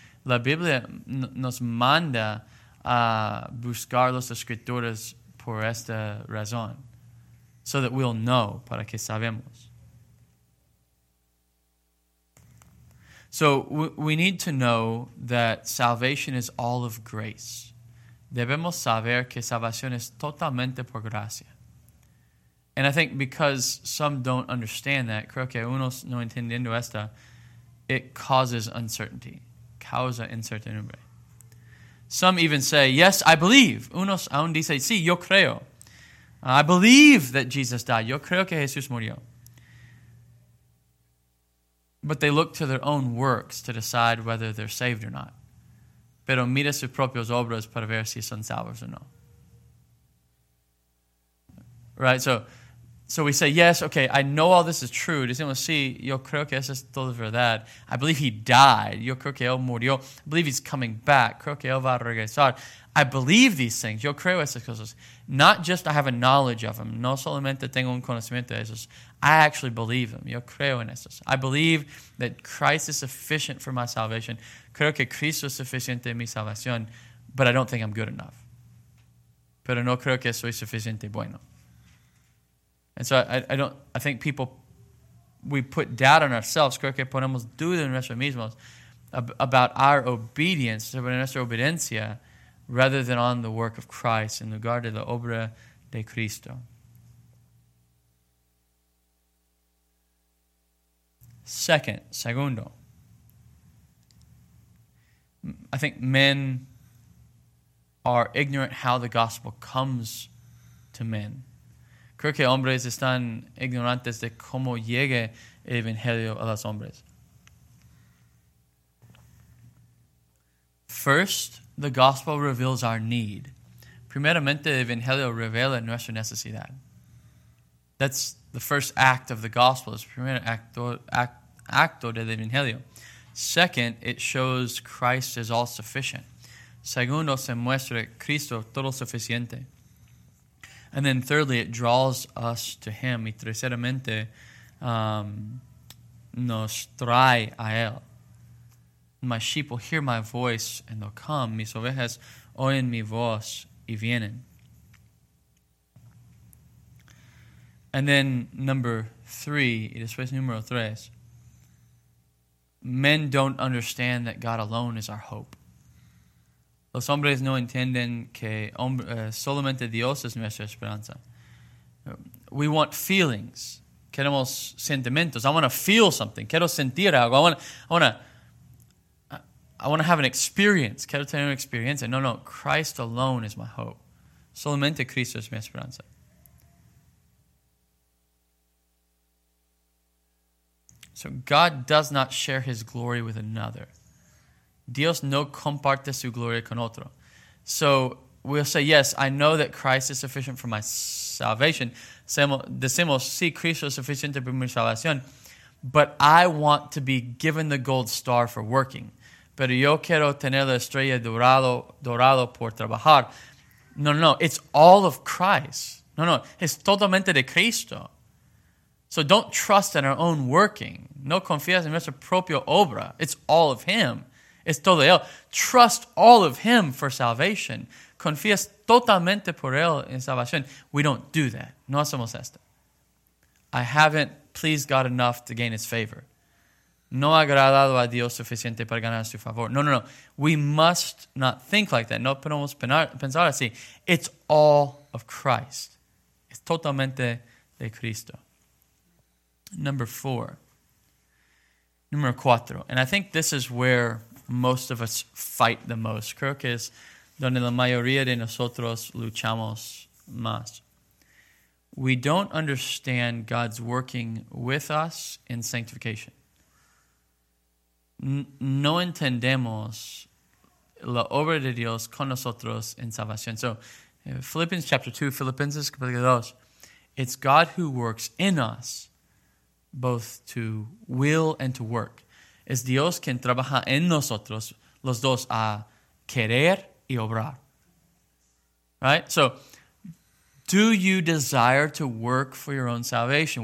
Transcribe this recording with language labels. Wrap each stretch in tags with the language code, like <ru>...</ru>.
<es>La Biblia nos manda a buscar las Escrituras por esta razón,</es> <en>so that we'll know,</en> <es>para que sabemos.</es> <en>So we need to know that salvation is all of grace.</en> <es>Debemos saber que salvación es totalmente por gracia.</es> <en>And I think because some don't understand that,</en> <es>creo que unos no entendiendo esta,</es> <en>it causes uncertainty.</en> <es>Causa incertidumbre.</es> <en>Some even say, yes, I believe.</en> <es>Unos aún dicen, sí, yo creo.</es> <en>I believe that Jesus died.</en> <es>Yo creo que Jesús murió.</es> <en>But they look to their own works to decide whether they're saved or not.</en> <es>Pero mira sus propias obras para ver si son salvos o no.</es> <en>Right, so we say, yes, okay, I know all this is true.</en> <es>Decimos, sí, yo creo que eso es todo verdad.</es> <en>I believe he died.</en> <es>Yo creo que él murió.</es> <en>I believe he's coming back.</en> <es>Creo que él va a regresar.</es> <en>I believe these things.</en> <es>Yo creo esas cosas.</es> <en>Not just I have a knowledge of them.</en> <es>No solamente tengo un conocimiento de esos.</es> <en>I actually believe them.</en> <es>Yo creo en esos.</es> <en>I believe that Christ is sufficient for my salvation.</en> <es>Creo que Cristo es suficiente en mi salvación.</es> <en>But I don't think I'm good enough.</en> <es>Pero no creo que soy suficiente bueno.</es> <en>And so I think we put doubt on ourselves,</en> <es>creo que ponemos duda en nosotros mismos,</es> <en>about our obedience,</en> <es>sobre nuestra obediencia,</es> <en>rather than on the work of Christ,</en> <es>en lugar de la obra de Cristo. Segundo,</es> <en>I think men are ignorant how the gospel comes to men.</en> <es>creo que hombres están ignorantes de cómo llegue el evangelio a los hombres.</es> <en>First, the gospel reveals our need.</en> <es>Primeramente, el evangelio revela nuestra necesidad.</es> <en>That's the first act of the gospel. It's the</en> <es>primer acto del evangelio.</es> <en>Second, it shows Christ is all sufficient.</en> <es>Segundo, se muestra Cristo todo suficiente.</es> <en>And then thirdly, it draws us to Him.</en> <es>Y terceramente, nos trae a Él.</es> <en>My sheep will hear my voice and they'll come.</en> <es>Mis ovejas oyen mi voz y vienen.</es> <en>And then number three,</en> <es>y después número tres.</es> <en>Men don't understand that God alone is our hope.</en> <es>Los hombres no entienden que solamente Dios es nuestra esperanza.</es> <en>We want feelings.</en> <es>Queremos sentimientos.</es> <en>I want to feel something.</en> <es>Quiero sentir algo.</es> <en>I want to have an experience.</en> <es>Quiero tener una experiencia. No, no.</es> <en>Christ alone is my hope.</en> <es>Solamente Cristo es mi esperanza.</es> <en>So God does not share His glory with another.</en> <es>Dios no comparte su gloria con otro.</es> <en>So we'll say, yes, I know that Christ is sufficient for my salvation.</en> <es>Decimos, sí, Cristo es suficiente para mi salvación.</es> <en>But I want to be given the gold star for working.</en> <es>Pero yo quiero tener la estrella dorado por trabajar.</es> <en>No, it's all of Christ.</en> <es>No, es totalmente de Cristo.</es> <en>So don't trust in our own working.</en> <es>No confías en nuestra propia obra.</es> <en>It's all of Him.</en> <es>Es todo Él.</es> <en>Trust all of Him for salvation.</en> <es>Confías totalmente por Él en salvación.</es> <en>We don't do that.</en> <es>No hacemos esto.</es> <en>I haven't pleased God enough to gain His favor.</en> <es>No ha agradado a Dios suficiente para ganar su favor. No.</es> <en>We must not think like that.</en> <es>No podemos pensar así.</es> <en>It's all of Christ.</en> <es>Es totalmente de Cristo. Número cuatro.</es> <en>And I think this is where most of us fight the most.</en> <es>Creo que es donde la mayoría de nosotros luchamos más.</es> <en>We don't understand God's working with us in sanctification.</en> <es>No entendemos la obra de Dios con nosotros en salvación.</es> <en>So, Philippians chapter 2,</en> <es>Filipenses capítulo 2.</es> <en>It's God who works in us both to will and to work.</en> <es>Es Dios quien trabaja en nosotros, los dos, a querer y obrar.</es> <en>Right? So, do you desire to work for your own salvation?</en>